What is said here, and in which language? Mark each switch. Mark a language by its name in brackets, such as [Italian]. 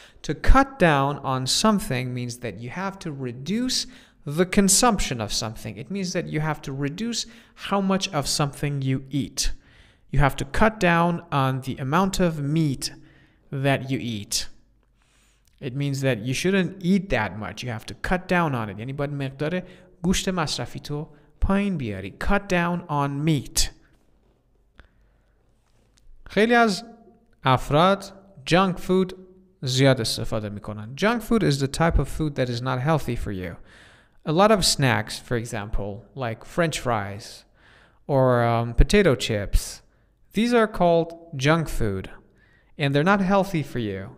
[English] To cut down on something means that you have to reduce the consumption of something. It means that you have to reduce how much of something you eat. You have to cut down on the amount of meat that you eat. It means that you shouldn't eat that much. You have to cut down on it. [Persian] یعنی باید مقدار گوشت مصرفی تو پایین بیاری. [English] Cut down on meat. [Persian] خیلی از افراد junk food زیاد استفاده میکنن. [English] Junk food is the type of food that is not healthy for you. A lot of snacks, for example, like French fries or potato chips. These are called junk food, and they're not healthy for you.